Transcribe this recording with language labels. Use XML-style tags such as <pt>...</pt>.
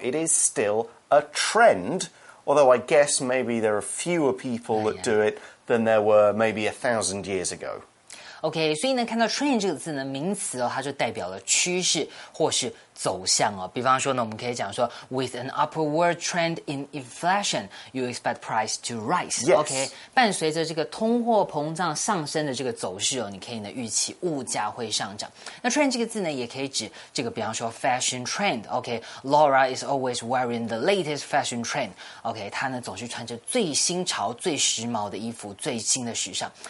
<en>It is still a trend, although I guess maybe there are fewer people that do it than there were maybe 1,000 years ago.</en> <zh>Okay, 所以呢看到 trend 这个字呢名词哦它就代表了趋势或是走向哦。比方说呢我们可以讲说</zh> <en>with an upward trend in inflation, you expect price to rise. Yes.</en> <zh>Okay, 伴随着这个通货膨胀上升的这个走势哦你可以呢预期物价会上涨。那 trend 这个字呢也可以指这个比方说 fashion trend.</zh> <en>Okay, Laura is always wearing the latest fashion trend.</en> <zh>Okay, 她呢总是穿着最新潮最时髦的衣服最新的时尚。</zh>